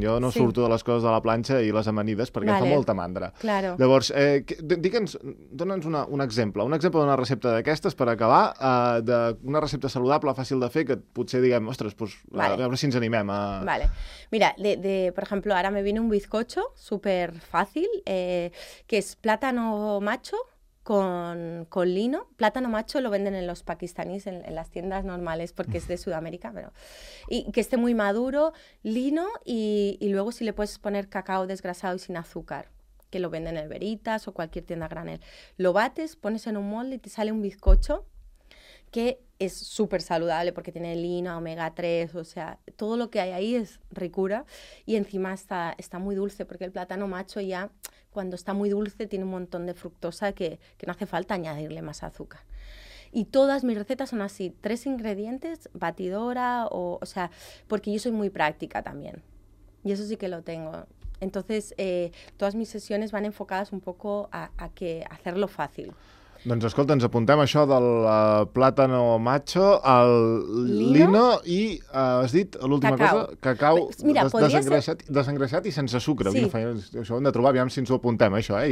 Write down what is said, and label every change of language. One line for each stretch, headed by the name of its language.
Catalan: Jo no surto de les coses de la planxa i les amanides perquè em fa molta mandra.
Spanish: Claro.
Catalan: Llavors, dona'ns un exemple d'una recepta d'aquestes per acabar, d'una recepta saludable, fàcil de fer, que potser diguem, ostres, pues, a veure si ens animem a... Vale.
Spanish: Mira,
Catalan: per exemple, ara
Spanish: me viene un bizcocho super fàcil, que és plátano macho, con lino, plátano macho lo venden en los pakistaníes, en las tiendas normales, porque es de Sudamérica, pero y que esté muy maduro, lino, y luego si le puedes poner cacao desgrasado y sin azúcar, que lo venden en Veritas o cualquier tienda granel. Lo bates, pones en un molde y te sale un bizcocho que es súper saludable porque tiene lino, omega 3, o sea, todo lo que hay ahí es ricura y encima está muy dulce porque el plátano macho ya... cuando está muy dulce, tiene un montón de fructosa que no hace falta añadirle más azúcar. Y todas mis recetas son así, 3 ingredientes, batidora, o sea, porque yo soy muy práctica también, y eso sí que lo tengo. Entonces, todas mis sesiones van enfocadas un poco a hacerlo fácil.
Catalan: Doncs escolta, ens apuntem això del plátano macho, el lino i, has dit, l'última cosa, cacau. Mira, desengreixat i sense sucre. Sí. Això ho hem de trobar, aviam si ens ho apuntem, això, eh?